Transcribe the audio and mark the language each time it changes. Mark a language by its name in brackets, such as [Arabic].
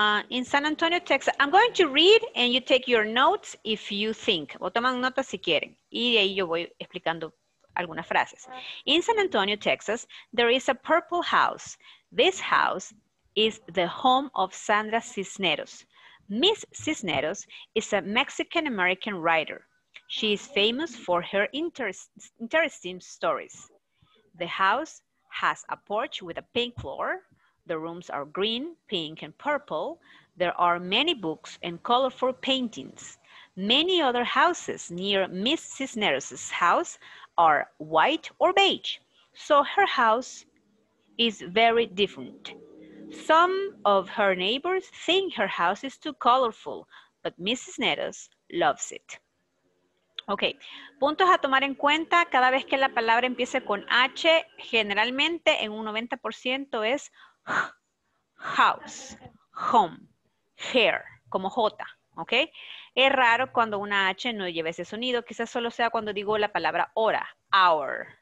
[English] In San Antonio, Texas, I'm going to read and you take your notes if you think. [Spanish] O toman notas si quieren. Y de ahí yo voy explicando algunas frases. [English] In San Antonio, Texas, there is a purple house. This house is the home of Sandra Cisneros. Miss Cisneros is a Mexican-American writer. She is famous for her interesting stories. The house has a porch with a pink floor. The rooms are green, pink, and purple. There are many books and colorful paintings. Many other houses near Miss Cisneros' house are white or beige, so her house is very different. Some of her neighbors think her house is too colorful, but Mrs. Neros loves it. [Spanish] Okay, puntos a tomar en cuenta cada vez que la palabra empiece con H, generalmente en un 90% es [English] house, home, hair, [Spanish] como J. ¿Ok? Es raro cuando una H no lleve ese sonido. Quizás solo sea cuando digo la palabra hora, hour.